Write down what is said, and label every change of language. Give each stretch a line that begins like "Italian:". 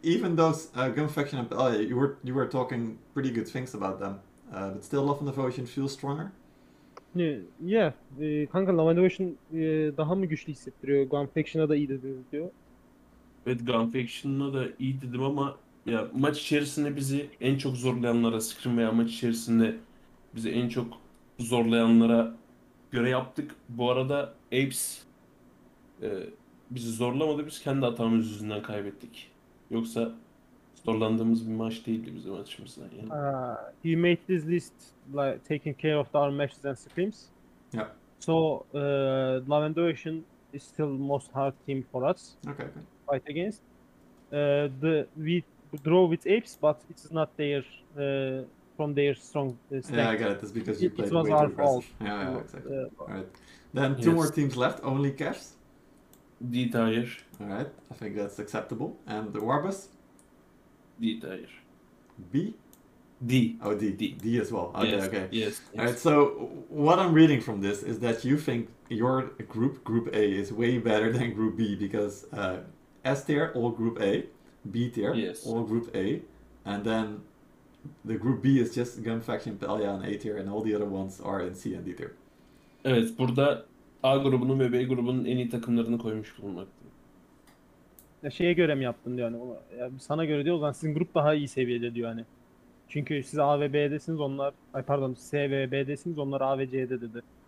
English: Even those Gun Faction, you were talking pretty good things about them. But still, Love and Devotion feels stronger.
Turkish: Yeah, kanka Lavender Ocean daha mı güçlü hissettiriyor? Gun Faction'a da iyi dediniz diyor. Evet, Gun Faction'a da iyi dedim ama ya maç içerisinde bizi en çok zorlayanlara, scrim veya maç içerisinde bizi en çok zorlayanlara göre yaptık. Bu arada Apes bizi zorlamadı, biz kendi hatamız yüzünden kaybettik. Yoksa zorlandığımız bir maç değildi bizim açımızdan yani.
English: You made this list like taking care of the arm matches and scrims. Yeah. So Lavender Ocean is still most hard team for us. Okay. Fight against. We draw with Apes, but it's not their from their strong stack. Yeah, I got it. That's because you played it was way our too fault. Yeah, exactly. All right. Then two more teams left. Only Cavs. D tier. All right. I think that's acceptable. And the Warbus. D tier. B. D. Oh, D. D. D as well. Okay. Yes. Alright, so what I'm reading from this is that you think your group, Group A, is way better than Group B because S tier, all Group A, B tier, all Group A, and then the Group B is just Gun Faction, Pelia, and A tier, and all the other ones are in C and D tier.
Turkish: Evet, burada A grubunun ve B grubunun en iyi takımlarını koymuş bulunmaktı. Ya şeye göre mi yaptın diyor hani. Ya sana göre diyor, o zaman sizin grup daha iyi seviyede diyor hani. Çünkü siz A ve B'desiniz, onlar, ay pardon, S ve B'desiniz, onlar A ve C'de dedi.